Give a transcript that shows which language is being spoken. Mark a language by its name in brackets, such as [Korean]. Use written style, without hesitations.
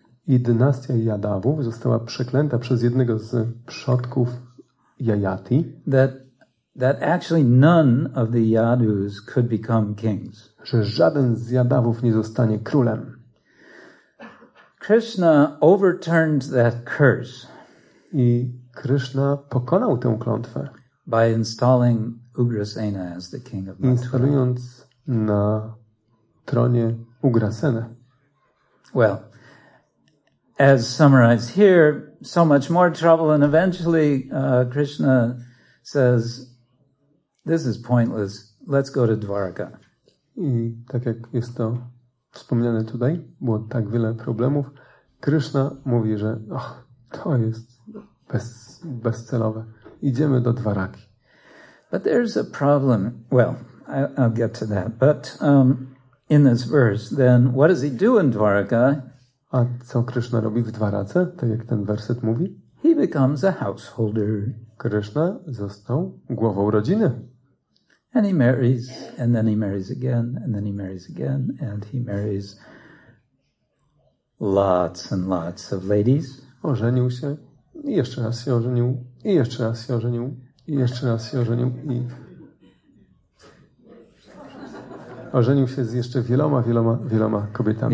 [Polish] I dynastia Yadavów została przeklęta przez jednego z przodków Yayati. [English] That actually none of the Yadus could become kings. [Polish] Że żaden z Yadavów nie zostanie królem. [English] Krishna overturned that curse. [Polish] I Krishna pokonał tę klątwę. [English] By installing Ugrasena as the king of Mathura. [Polish] Instalując na tronie Ugrasenę. [English] Well, as summarized here, so much more trouble, and eventually Krishna says, "This is pointless. Let's go to Dwarka." [Polish] I tak jak jest to wspomniane tutaj, było tak wiele problemów, Krishna mówi, że oh, to jest bezcelowe. Idziemy do Dwaraki. [English] But there's a problem. Well, I'll get to that. But in this verse, then, what does he do in Dwaraka? [Polish] A co Krishna robi w Dwarace, tak jak ten werset mówi? [English] He becomes a householder. [Polish] Krishna został głową rodziny. [English] And he marries, and then he marries again, and then he marries again, and he marries lots and lots of ladies. [Polish] Ożenił się, i jeszcze raz się ożenił, i jeszcze raz się ożenił, i jeszcze raz się ożenił, i... Ożenił się z jeszcze wieloma, wieloma, wieloma kobietami.